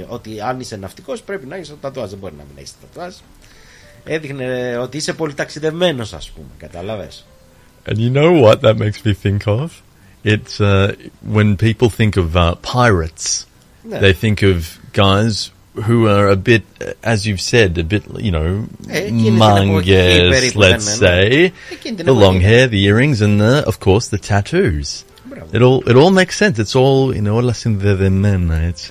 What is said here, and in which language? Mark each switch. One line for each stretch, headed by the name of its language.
Greek: Ότι αν είσαι ναυτικός πρέπει να έχεις το τατουάζ, δεν μπορεί να μην έχεις το τατουάζ. Έδειχνε ότι είσαι πολύ ταξιδευμένος, ας πούμε, καταλάβες.
English: And you know what that makes me think of? It's when people think of pirates, they think of guys who are a bit, as you've said, a bit, you know, mangas, let's say, the long hair, the earrings, and the, of course, the tattoos. It all makes sense. It's all,
Greek: είναι όλα συνδεδεμένα, έτσι.